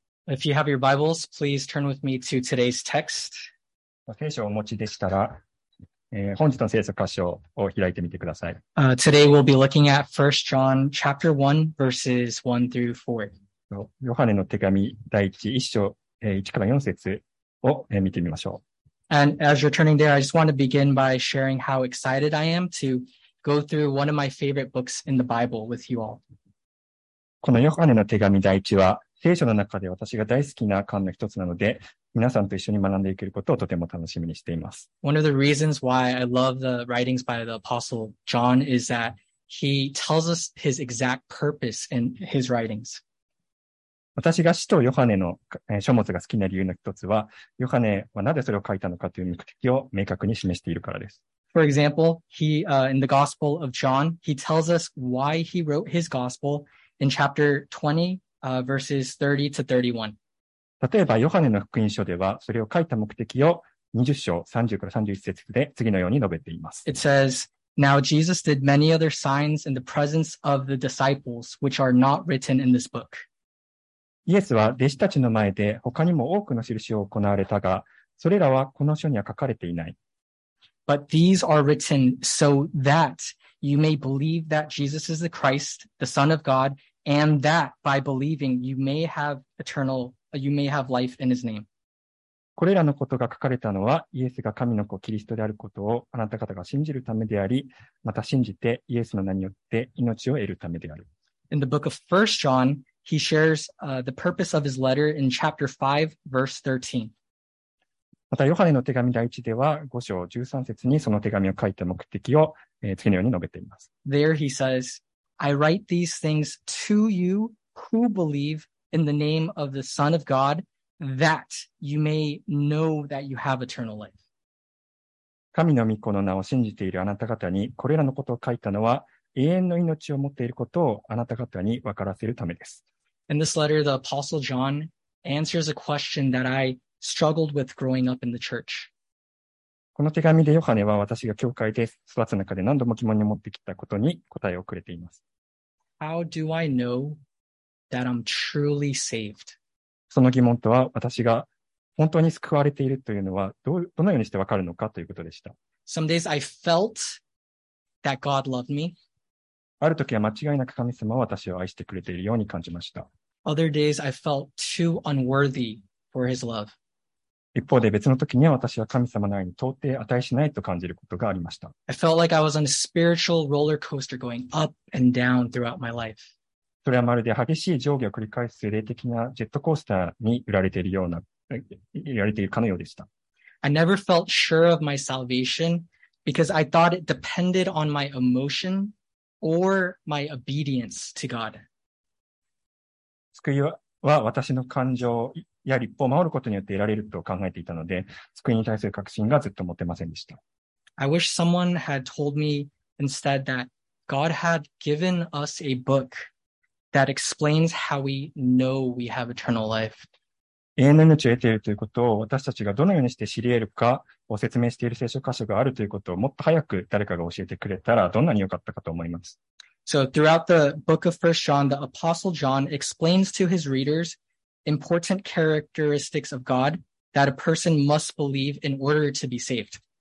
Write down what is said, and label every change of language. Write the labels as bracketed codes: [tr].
[en] If you have your Bibles, please turn with me to today's text. [ja] 聖書をお持ちでしたら、本日の聖書箇所を開いてみてください。 [en] Today we'll be looking at 1 John chapter 1 verses 1 through 4. [ja] ヨハネの手紙第1、1章、1から4節を、見てみましょう。 [en] And as you're turning there, I just want to begin by sharing how excited I am to go through one of my favorite books in the Bible with you all. [ja] このヨハネの手紙第1は、聖書の中で私が大好きな巻の一つなので、皆さんと一緒に学んでいけることをとても楽しみにしています。 [en] One of the reasons why I love the writings by the Apostle John is that he tells us his exact purpose in his writings. [ja] 私が使徒ヨハネの書物が好きな理由の一つは、ヨハネはなぜそれを書いたのかという目的を明確に示しているからです。 [en] For example, in the Gospel of John, he tells us why he wrote his Gospel in chapter 20. Verses 30 to 31. [ja] 例えばヨハネの福音書ではそれを書いた目的を20章30から31節で次のように述べています。 [en] It says, Now Jesus did many other signs in the presence of the disciples, which are not written in this book. [ja] イエスは弟子たちの前で他にも多くの印を行われたが、それらはこの書には書かれていない。 [en] But these are written so that you may believe that Jesus is the Christ, the Son of God,And that by believing, you may have life in his name. [ja] これらのことが書かれたのは、イエスが神の子キリストであることをあなた方が信じるためであり、また信じてイエスの名によって命を得るためである。 [en] In the book of 1 John, he shares, the purpose of his letter in chapter 5, verse 13. [ja] また、ヨハネの手紙第1では5章13節にその手紙を書いた目的を、次のように述べています。 [en] There he says,I write these things to you who believe in the name of the Son of God that you may know that you have eternal life. [ja] 神の御子の名を信じているあなた方に、これらのことを書いたのは、永遠の命を持っていることをあなた方に分からせるためです。 [en] In this letter, the Apostle John answers a question that I struggled with growing up in the church. [ja] この手紙でヨハネは私が教会で育つ中で何度も疑問に持ってきたことに答えをくれています。 [en] How do I know that I'm truly saved? [ja] その疑問とは、私が本当に救われているというのはどのようにして分かるのかということでした。 [en] Some days I felt that God loved me. [ja] ある時は間違いなく神様は私を愛してくれているように感じました。 [en] Other days I felt too unworthy for his love. [ja] 一方で別の時には私は神様の愛に到底値しないと感じることがありました。 [en] I felt like I was on a spiritual roller coaster going up and down throughout my life. [ja] それはまるで激しい上下を繰り返す霊的なジェットコースターに揺られているかのようでした。 [en] I never felt sure of my salvation because I thought it depended on my emotion or my obedience to God. [ja] 救いは私の感情や律法を守ることによって得られると考えていたので、救いに対する確信がずっと持てませんでした。 [en] I wish someone had told me instead that God had given us a book that explains how we know we have eternal life. [ja] 永遠の命を得ているということを私たちがどのようにして知り得るかを説明している聖書箇所があるということをもっと早く誰かが教えてくれたらどんなに良かったかと思います。 [en] So throughout the book of 1 John, the Apostle John explains to his readers important characteristics of God that a person must believe in order to be saved.